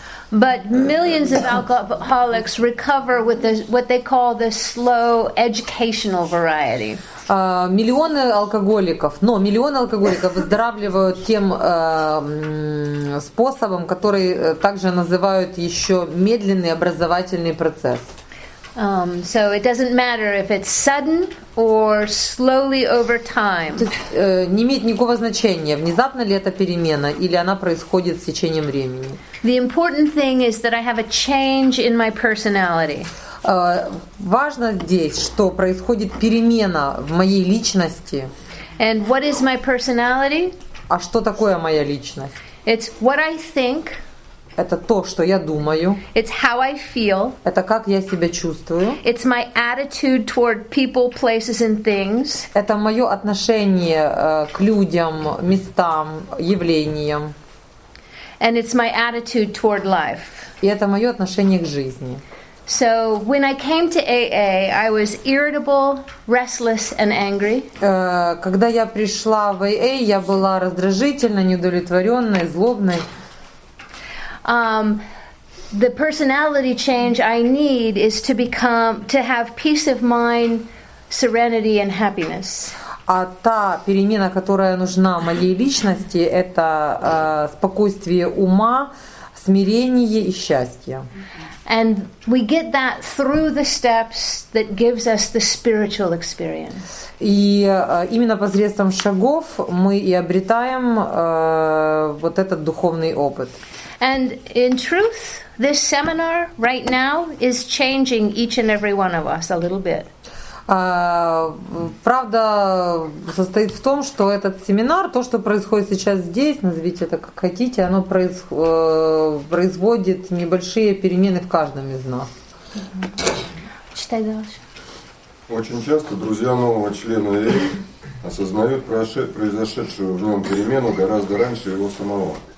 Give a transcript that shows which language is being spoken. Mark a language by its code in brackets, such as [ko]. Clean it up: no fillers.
[en] But millions of alcoholics recover with what they call the slow educational variety. [ru] Миллионы алкоголиков выздоравливают тем способом, который также называют еще медленный образовательный процесс. [en] So it doesn't matter if it's sudden or slowly over time. [ru] Не имеет никакого значения, внезапно ли это перемена или она происходит с течением времени. [en] The important thing is that I have a change in my personality. [ru] Важно здесь, что происходит перемена в моей личности. [en] And what is my personality? [ru] А что такое моя личность? [en] It's what I think. [ru] Это то, что я думаю. [en] It's how I feel. [ru] Это как я себя чувствую. [en] It's my attitude toward people, places, and things. [ru] Это мое отношение к людям, местам, явлениям. [en] And it's my attitude toward life. [ru] И это мое отношение к жизни. [en] So when I came to AA, I was irritable, restless, and angry. [ru] Когда я пришла в AA, я была раздражительной, неудовлетворенной, злобной. [en] The personality change I need is to become to have peace of mind, serenity, and happiness. [ru] А та перемена, которая нужна моей личности, это спокойствие ума, смирение и счастье. [en] And we get that through the steps that gives us the spiritual experience. [ru] И именно посредством шагов мы и обретаем вот этот духовный опыт. [en] And in truth, this seminar right now is changing each and every one of us a little bit. [ru] Правда состоит в том, что этот семинар, то, что происходит сейчас здесь, назовите это как хотите, оно производит небольшие перемены в каждом из нас. Читай дальше. Очень часто друзья нового члена ЭИ осознают произошедшую в нем перемену гораздо раньше его самого.